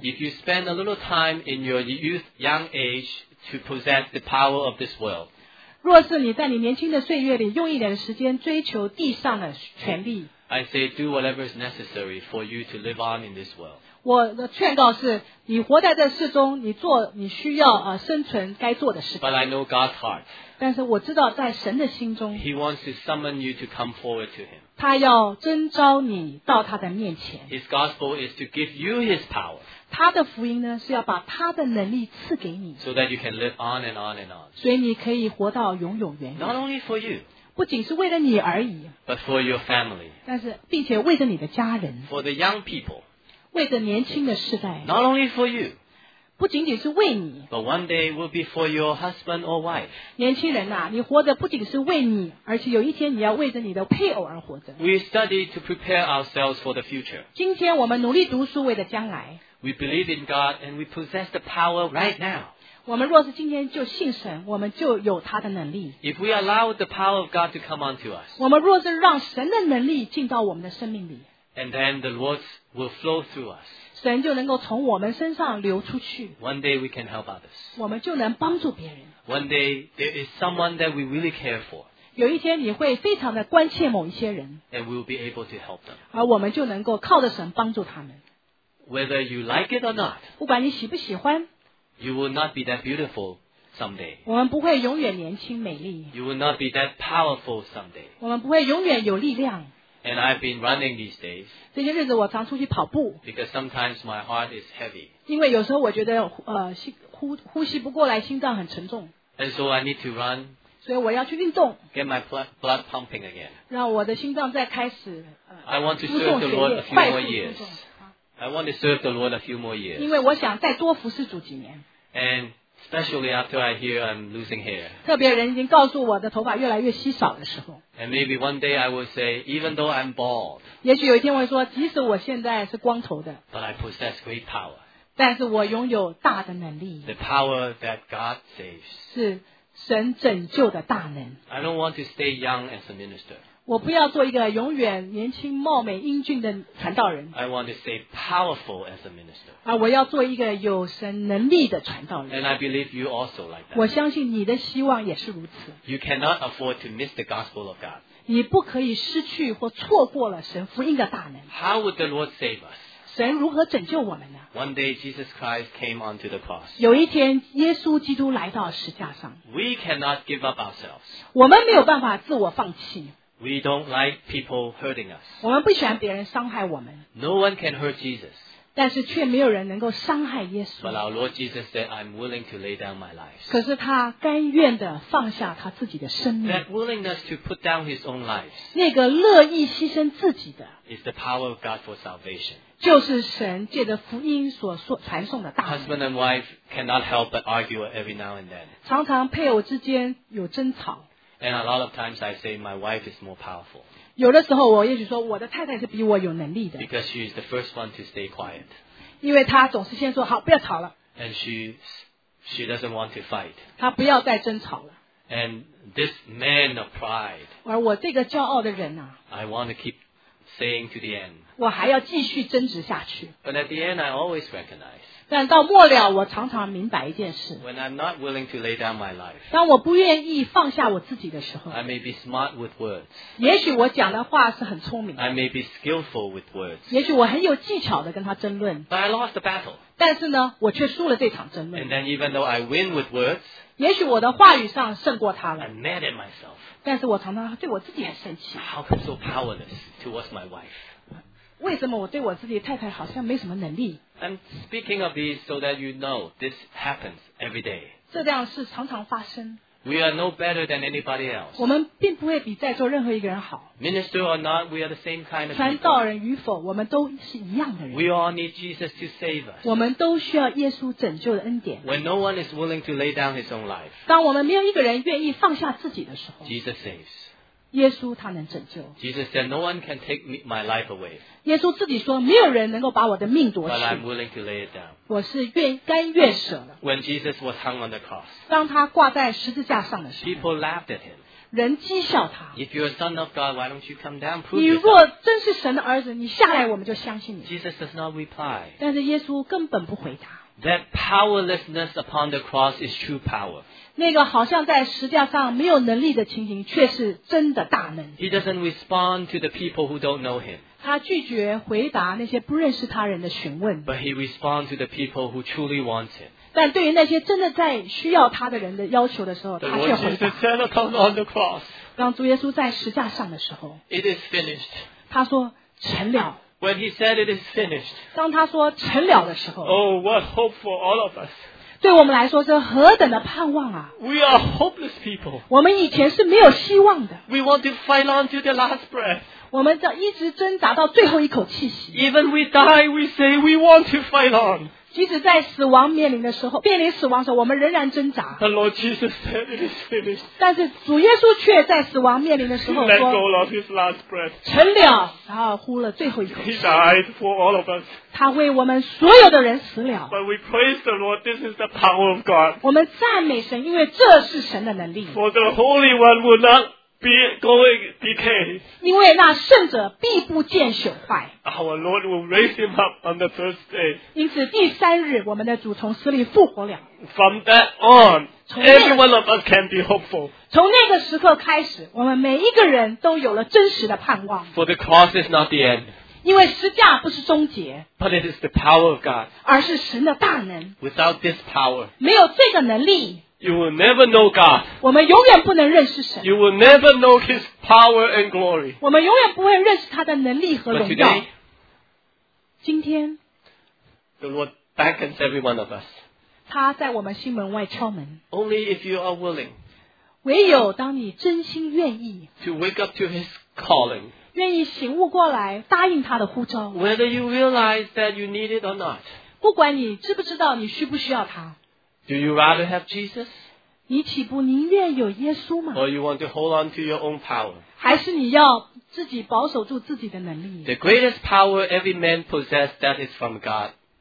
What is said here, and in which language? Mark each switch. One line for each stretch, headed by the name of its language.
English: If you spend a little time in your youth, young age to possess the power of this world,
Chinese: 若是你在你年轻的岁月里用一点时间追求地上的权利
English: I say do whatever is necessary for you to live on in this world.
Chinese: 我的劝告是你活在这世中你做你需要生存该做的事情
English: But I know God's heart.
Chinese: 但是我知道在神的心中
English: He wants to summon you to come forward to him.
Chinese: 他要征召你到他的面前
English: His gospel is to give you his power.
Chinese: 他的福音呢是要把他的能力赐给你
English: So that you can live on and on and on.
Chinese: 所以你可以活到永永远远
English: Not only for you.
Chinese: 不仅是为了你而已
English: But for your family.
Chinese: 但是并且为着你的家人
English: For the young people.
Chinese: 为着年轻的世代
English: Not only for you,
Chinese: 不仅仅是为你
English: But one day will be for your husband or wife
Chinese: 年轻人啊你活着不仅是为你而且有一天你要为着你的配偶而活着
English: We study to prepare ourselves for the future
Chinese: 今天我们努力读书为了将来
English: We believe in God and we possess the power right now
Chinese: 我们若是今天就信神我们就有他的能力
English: If we allow the power of God to come onto us
Chinese: 我们若是让神的能力进到我们的生命里
English: And then the Lord will flow through us.
Chinese: 神就能够从我们身上流出去。
English: One day we can help others.
Chinese: 我们就能帮助别人。
English: One day there is someone that we really care for.
Chinese: 有一天你会非常的关切某一些人。
English: And we will be able to help them.
Chinese: 而我们就能够靠着神帮助他们。
English: Whether you like it or not,
Chinese: 不管你喜不喜欢。
English: You will not be that beautiful someday.
Chinese: 我们不会永远年轻美丽。
English: You will not be that powerful someday.
Chinese: 我们不会永远有力量。
English: And I've been running these days.
Chinese: 这些日子我常出去跑步。
English: Because sometimes my heart is heavy.
Chinese: 因为有时候我觉得呼吸不过来，心脏很沉重。
English: And so I need to run.
Chinese: 所以我要去运动。
English: Get my blood pumping again.
Chinese: 让我的心脏再开始。
English: I want to serve the Lord a few more years. I want to serve the Lord a few more years.
Chinese: 因为我想再多服侍主几年。
English: And especially after I hear I'm losing hair.
Chinese: 特别人已经告诉我的头发越来越稀少的时候。
English: And maybe one day I will say, even though I'm bald.
Chinese: 也许有一天我会说，即使我现在是光头的。
English: But I possess great power.
Chinese: 但是我拥有大的能力。
English: The power that God saves.
Chinese: 是神拯救的大能。
English: I don't want to stay young as a minister.
Chinese: 我不要做一个永远年轻貌美英俊的传道人。
English: I want to stay powerful as a minister.
Chinese: 而我要做一个有神能力的传道人。
English: And I believe you also like that.
Chinese: 我相信你的希望也是如此。
English: You cannot afford to miss the gospel of God.
Chinese: 你不可以失去或错过了神福音的大能。
English: How would the Lord save us?
Chinese: 神如何拯救我们呢?
English: One day Jesus Christ came onto the cross.
Chinese: 有一天耶稣基督来到十架上。
English: We cannot give up ourselves.
Chinese: 我们没有办法自我放弃。
English: We don't like people hurting us.
Chinese: 我们不喜欢别人伤害我们。
English: No one can hurt Jesus.
Chinese: 但是却没有人能够伤害耶稣。
English: But our Lord Jesus said, I'm willing to lay down my life.
Chinese: 可是他甘愿地放下他自己的生命。
English: That willingness to put down his own life.
Chinese: 那个乐意牺牲自己的。
English: Is the power of God for salvation.
Chinese: 就是神借着福音所传送的大能。
English: Husband and wife cannot help but argue every now and then.
Chinese: 常常配偶之间有争吵。
English: And a lot of times I say my wife is more powerful.
Chinese: 有的时候我也许说我的太太是比我有能力的。
English: Because she is the first one to stay quiet.
Chinese: 因为她总是先说好不要吵了。
English: And she doesn't want to fight.
Chinese: 她不要再争吵了。
English: And this man of pride.
Chinese: 而我这个骄傲的人啊。
English: I want to keep saying to the end.
Chinese: 我还要继续争执下去。
English: But at the end I always recognize.
Chinese: 但到末了我常常明白一件事
English: When I'm not willing to lay down my life,
Chinese: 当我不愿意放下我自己的时候
English: I may be smart with words,
Chinese: 也许我讲的话是很聪明的
English: I may be skillful with words,
Chinese: 也许我很有技巧的跟他争论
English: but I lost the battle,
Chinese: 但是呢我却输了这场争论
English: and then even though I win with words,
Chinese: 也许我的话语上胜过他了
English: I'm mad at myself,
Chinese: 但是我常常对我自己很生气
English: How come so powerless towards my wife?
Chinese: 为什么我对我自己太太好像没什么能力
English: I'm speaking of these so that you know this happens every day.
Chinese: 这样是常常发生。
English: We are no better than anybody else.
Chinese: 我们并不会比在座任何一个人好。
English: Minister or not, we are the same kind of people.
Chinese: 传道人与否，我们都是一样的人。
English: We all need Jesus to save us.
Chinese: 我们都需要耶稣拯救的恩典。
English: When no one is willing to lay down his own life.
Chinese: 当我们没有一个人愿意放下自己的时候
English: Jesus saves.
Chinese: 耶稣他能拯救。
English: Jesus said, "No one can take my life away."
Chinese: 耶稣自己说，没有人能够把我的命夺去。
English: But I'm willing to lay it down.
Chinese: 我是愿甘愿舍的。
English: When Jesus was hung on the cross,
Chinese: 当他挂在十字架上的时候
English: ，People laughed at him.
Chinese: 人讥笑他。
English: If you're a son of God, why don't you come down? Prove
Chinese: 你若真是神的儿子，你下来我们就相信你。
English: Jesus does not reply.
Chinese: 但是耶稣根本不回答。
English: That powerlessness upon the cross is true power.
Chinese: 那个好像在十字架上没有能力的情形却是真的大能。
English: He doesn't respond to the people who don't know him.
Chinese: 他拒绝回答那些不认识他人的询问。
English: But he responds to the people who truly want him.
Chinese: 但对于那些真的在需要他的人的要求的时候他却回答。
English: The Lord Jesus said upon the cross.
Chinese: 当主耶稣在十字架上的时候。
English: It is finished.
Chinese: 他说成了。
English: When he said it is finished,
Chinese: 当他说成了的时候
English: Oh, what hope for all of us.
Chinese: 对我们来说这何等的盼望啊
English: We are hopeless people.
Chinese: 我们以前是没有希望的
English: We want to fight on to the last breath.
Chinese: 我们要一直挣扎到最后一口气息
English: Even we die, we say we want to fight on.
Chinese: 即使在死亡面临的时候面临死亡的时候我们仍然挣扎
English: The Lord Jesus said it is finished.
Chinese: 但是主耶稣却在死亡面临的时候说
English: Let go of his last breath.
Chinese: 成了然后呼了最后一口气
English: He died for all of us.
Chinese: 他为我们所有的人死了
English: But we praise the Lord, this is the power of God.
Chinese: 我们赞美神因为这是神的能力
English: For the Holy One will not be going decay.
Chinese: 因为那圣者必不见朽坏
English: Our Lord will raise him up on the first day.
Chinese: 因此第三日我们的主从死里复活了
English: From that on, every one of us can be hopeful.
Chinese: 从那个时刻开始我们每一个人都有了真实的盼望
English: For the cross is not the end.
Chinese: 因为十架不是终结
English: But it is the power of God.
Chinese: 而是神的大能
English: Without this power,
Chinese: 没有这个能力
English: You will never know God.
Chinese: 我们永远不能认识神。
English: You will never know His power and glory.
Chinese: 我们永远不会认识他的能力和荣耀。
English: But today,
Chinese: 今天
English: the Lord beckons every one of us.
Chinese: 他在我们心门外敲门。
English: Only if you are willing.
Chinese: 唯有当你真心愿意
English: to wake up to His calling.
Chinese: 愿意醒悟过来，答应他的呼召。
English: Whether you realize that you need it or not.
Chinese: 不管你知不知道，你需不需要他。
English: Do you rather have Jesus?
Chinese: 你岂不宁愿有耶稣吗?
English: Or you want to hold on to your own power?
Chinese: 还是你要自己保守住自己的能力?
English: The greatest power every man possesses that is from God.